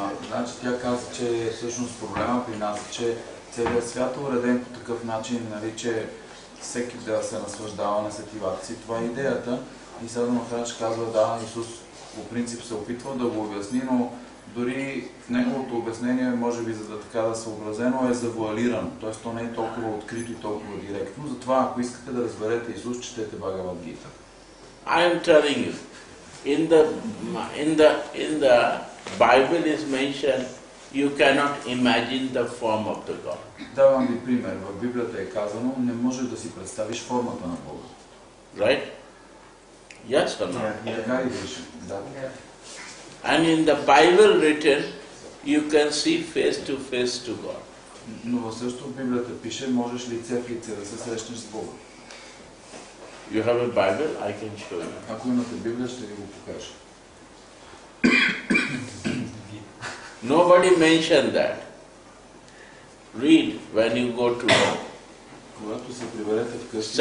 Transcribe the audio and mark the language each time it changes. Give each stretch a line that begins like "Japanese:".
Bulgarian: Значи тя каза, че всъщност проблема при нас, че целият свят е уреден по такъв начин, нали, че всеки да се наслаждава на сетивата си. Това е идеята. И Сада Махарадж казва, да, Исус по принцип се опитва да го обясни, но дори в неговото обяснение, може би за да така да съобразено, е завуалирано. Т.е. то не е толкова открито и толкова директно. Затова, ако искате да разберете Исус, четете Бхагавад Гита.
English: I am telling you, in the Bible is mentioned, you cannot imagine the form of the God.
Bulgarian: Давам ви пример. В Библията е казано, не можеш да си представиш формата на Бога.
English: Right? Yes or no?
Bulgarian: Така и беше. Да.
English: And in the Bible written, you can see face to face to God.
Bulgarian: Но също в Библията пише, можеш лице в лице да се срещнеш с Бога.
English: You have a Bible, I can show you.
Bulgarian: Ако имате Библия, ще ви го покажа.
English: Nobody mentioned that. Read when you go to God.
Bulgarian: Когато се приберете в къщи...